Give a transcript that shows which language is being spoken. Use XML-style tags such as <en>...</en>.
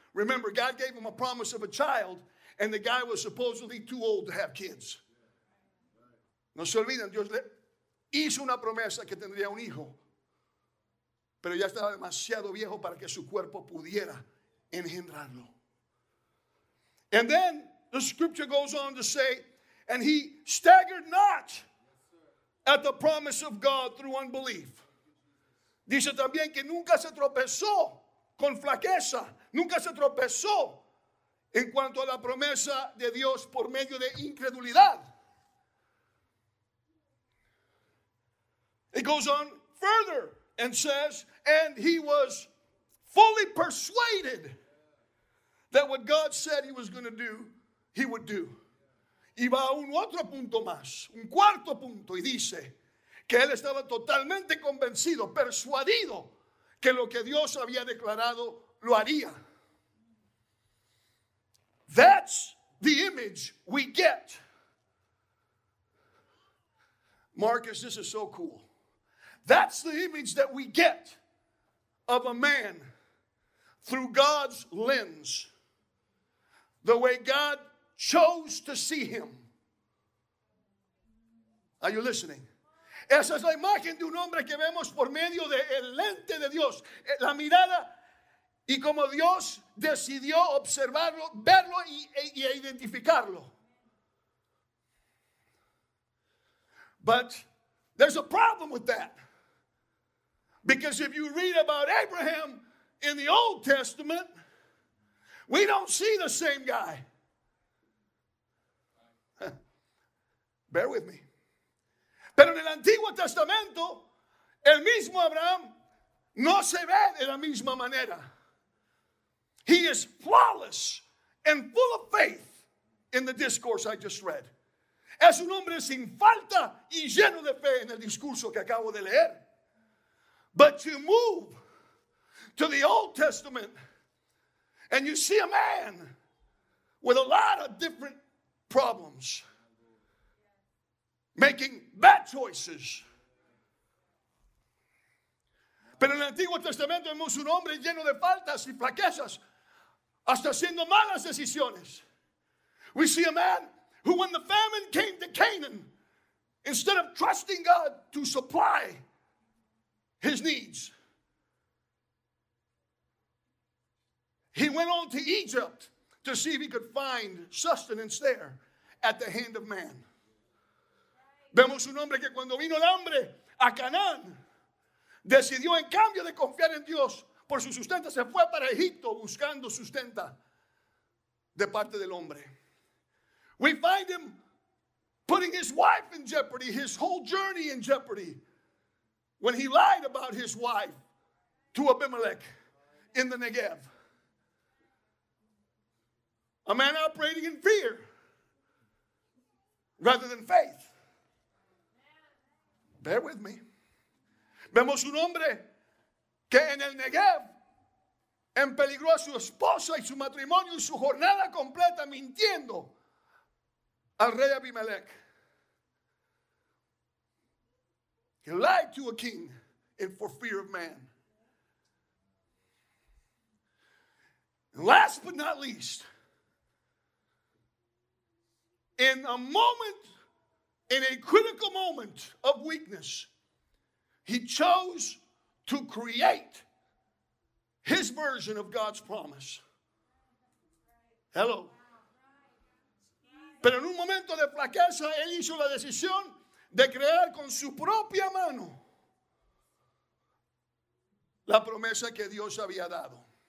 <en>Remember, God gave him a promise of a child, and the guy was supposedly too old to have kids.</en> <es>No se olviden, Dios le hizo una promesa que tendría un hijo, pero ya estaba demasiado viejo para que su cuerpo pudiera engendrarlo.</es> <en>And then the scripture goes on to say, and he staggered not at the promise of God through unbelief.</en> <es>Dice también que nunca se tropezó con flaqueza, nunca se tropezó en cuanto a la promesa de Dios por medio de incredulidad.</es> <en>It goes on further and says, and he was fully persuaded that what God said he was going to do, he would do.</en> <es>Y va a un otro punto más, un cuarto punto, y dice que él estaba totalmente convencido, persuadido, que lo que Dios había declarado lo haría.</es> <en>That's the image we get. Marcus, this is so cool. That's the image that we get of a man through God's lens. The way God chose to see him. Are you listening?</en> <es>Esa es la imagen de un hombre que vemos por medio de el lente de Dios. La mirada y como Dios decidió observarlo, verlo y identificarlo.</es> <en>But there's a problem with that. Because if you read about Abraham in the Old Testament, we don't see the same guy. Bear with me.</en> <es>Pero en el Antiguo Testamento, el mismo Abraham no se ve de la misma manera.</es> <en>He is flawless and full of faith in the discourse I just read.</en> <es>Es un hombre sin falta y lleno de fe en el discurso que acabo de leer.</es> <en>But you move to the Old Testament and you see a man with a lot of different problems, making bad choices.</en> <es>Pero en el Antiguo Testamento vemos un hombre lleno de faltas y flaquezas, hasta haciendo malas decisiones.</es> <en>We see a man who, when the famine came to Canaan, instead of trusting God to supply his needs, he went on to Egypt to see if he could find sustenance there at the hand of man.</en> <es>Vemos un hombre que cuando vino el hambre a Canaán, decidió en cambio de confiar en Dios por su sustento, se fue para Egipto buscando sustenta de parte del hombre.</es> <en>We find him putting his wife in jeopardy, his whole journey in jeopardy, when he lied about his wife to Abimelech in the Negev. A man operating in fear rather than faith. Bear with me.</en> <es>Vemos un hombre que en el Negev empeligró a su esposa y su matrimonio y su jornada completa mintiendo al rey Abimelech.</es> <en>He lied to a king and for fear of man. And last but not least, in a moment, in a critical moment of weakness, he chose to create his version of God's promise. Hello.</en> <es>Pero en un momento de flaqueza, él hizo la decisión de crear con su propia mano la promesa que Dios había dado.</es>